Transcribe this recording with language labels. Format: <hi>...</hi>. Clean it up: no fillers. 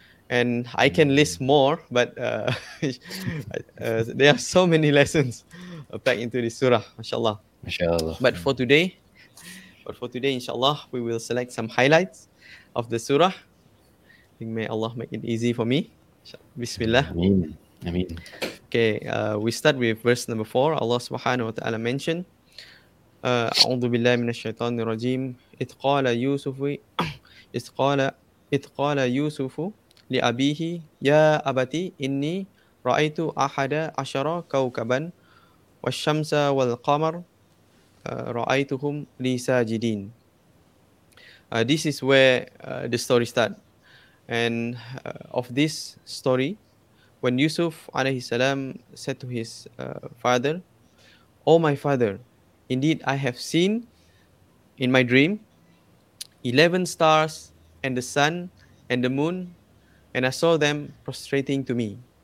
<en>And I can list more, but there are so many lessons packed into this surah, mashallah. But for today, inshallah, we will select some highlights of the surah. I think may Allah make it easy for me. Bismillah. Ameen. Okay, we start with verse number 4. Allah subhanahu wa ta'ala mentioned,</en> <ar>أعوذ بالله من الشيطان الرجيم إذ قال يوسف لأبيه يا أبتي إني رأيت أحد عشر كوكبا والشمس والقمر رأيتهم لي ساجدين.</ar> <en>This is where the story start, and of this story, when Yusuf alayhi salam said to his father, "Oh my father, indeed, I have seen in my dream 11 stars and the sun and the moon, and I saw them prostrating to me."</en>